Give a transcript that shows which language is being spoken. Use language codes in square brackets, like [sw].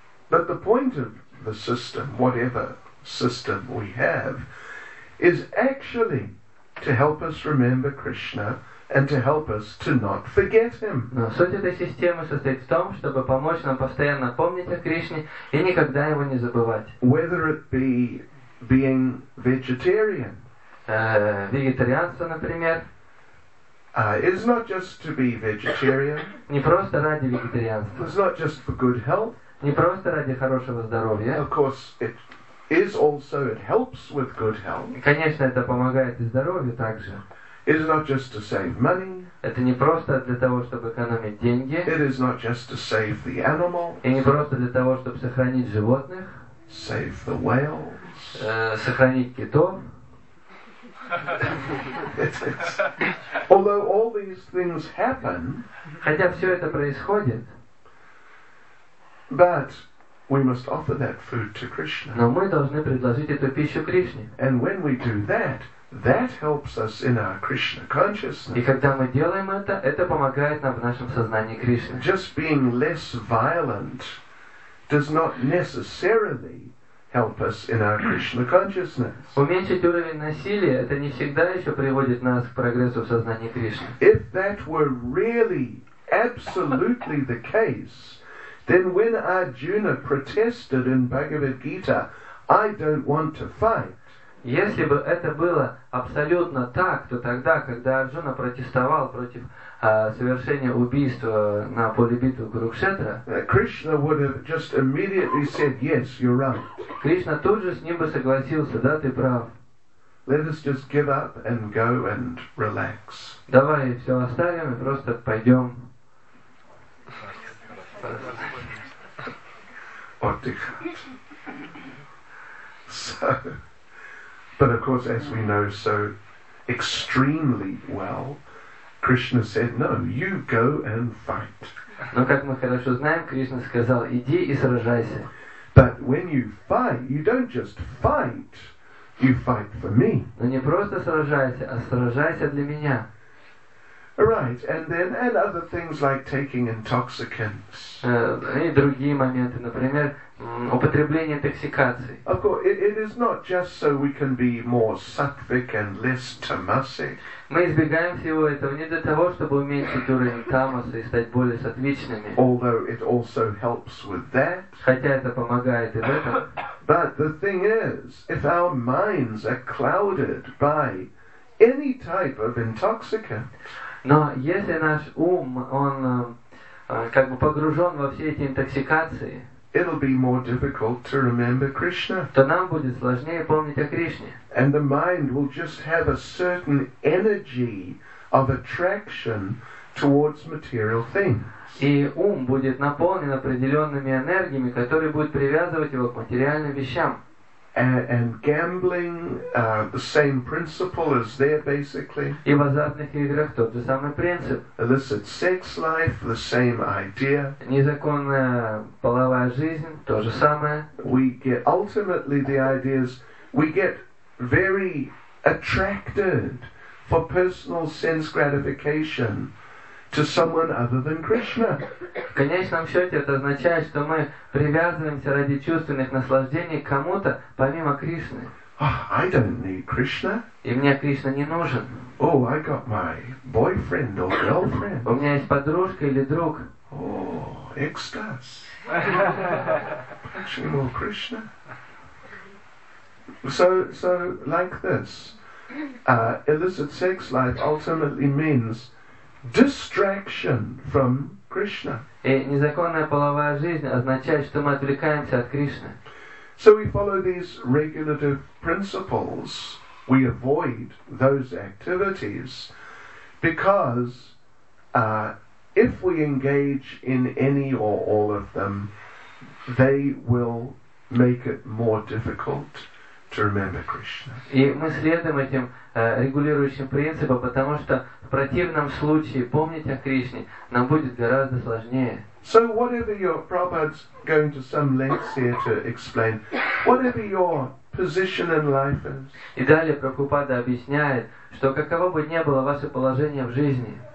[en] But the point of the system, whatever system we have, is actually to help us remember Krishna and to help us to not forget him. [ru] Но суть этой системы состоит в том, чтобы помочь нам постоянно помнить о Кришне и никогда его не забывать. [en] Whether it be being vegetarian, [ru] вегетарианство, например, [en] is not just to be vegetarian. [ru] Не просто ради вегетарианства. [en] It's not just for good health. [ru] Не просто ради хорошего здоровья. [en] Of course, it is also it helps with good health. [ru] Конечно, это помогает и здоровью также. [en] It is not just to save money. [ru] Это не просто для того, чтобы экономить деньги. [en] It is not just to save the animal. [ru] И не просто для того, чтобы сохранить животных. [en] Save the whales. [ru] Сохранить китов. [en] Although all these things happen. [ru] Хотя все это происходит. [en] But we must offer that food to Krishna. [ru] Но мы должны предложить эту пищу Кришне. [en] And when we do that, that helps us in our Krishna consciousness. [ru] И когда мы делаем это помогает нам в нашем сознании Кришны. [en] Just being less violent does not necessarily help us in our Krishna consciousness. [ru] Уменьшить уровень насилия это не всегда еще приводит нас к прогрессу в сознании Кришны. [en] If that were really absolutely the case, then when Arjuna protested in Bhagavad Gita, I don't want to fight. [ru] Если бы это было абсолютно так, то тогда, когда Арджуна протестовал против совершения убийства на поле битвы Курукшетра, [en] Krishna would have just immediately said, "Yes, you're right." [ru] Кришна тут же с ним бы согласился, да, ты прав. [en] Let us just give up and go and relax. [ru] Давай все оставим и просто пойдем. [en] So, but of course, as we know so extremely well, Krishna said, "No, you go and fight." [ru] Но как мы хорошо знаем, Кришна сказал, иди и сражайся. [en] But when you fight, you don't just fight; you fight for me. [ru] Но не просто сражайся, а сражайся для меня. [en] Right, and then and other things like taking intoxicants. [ru] И другие моменты, например, употребление интоксикации. [en] Of course, it is not just so we can be more sattvic and less tamasic. [ru] Мы избегаем всего этого не для того, чтобы уменьшить уровень тамаса и стать более сатвичными. [en] Although it also helps with that. [ru] Хотя это помогает и в этом. [en] But the thing is, if our minds are clouded by any type of intoxicant. [ru] Но если наш ум, он как бы погружен во все эти интоксикации, [en] it'll be more difficult to remember Krishna. [ru] То нам будет сложнее помнить о Кришне. [en] And the mind will just have a certain energy of attraction towards material things. [ru] И ум будет наполнен определенными энергиями, которые будут привязывать его к материальным вещам. [en] And gambling, the same principle is there basically. [ru] И в азартных играх тот же самый принцип. [en] Illicit sex life, the same idea. [ru] Незаконная половая жизнь, то же самое. [en] We get ultimately the ideas. We get very attracted for personal sense gratification to someone other than Krishna. [ru] В конечном счете это означает, что мы привязываемся ради чувственных наслаждений к кому-то помимо Кришны. [en] Oh, I don't need Krishna. [ru] И мне Кришна не нужен. [en] Oh, I got my boyfriend or girlfriend. [ru] У меня есть подружка или друг. [en] Oh, ecstasy. Actually, more Krishna. So like this, illicit sex life ultimately means distraction from Krishna. [ru] И незаконная половая жизнь означает, что мы отвлекаемся от Кришны. [en] So we follow these regulative principles. We avoid those activities because if we engage in any or all of them, they will make it more difficult to remember Krishna. [ru] И мы следуем этим регулирующим принципам, потому что в противном случае помнить о Кришне нам будет гораздо сложнее. [en] So whatever your Prabhupada's going to some lengths here to explain, whatever your position in life is. [ru] И далее Прабхупада объясняет, что каково бы ни было ваше положение в жизни.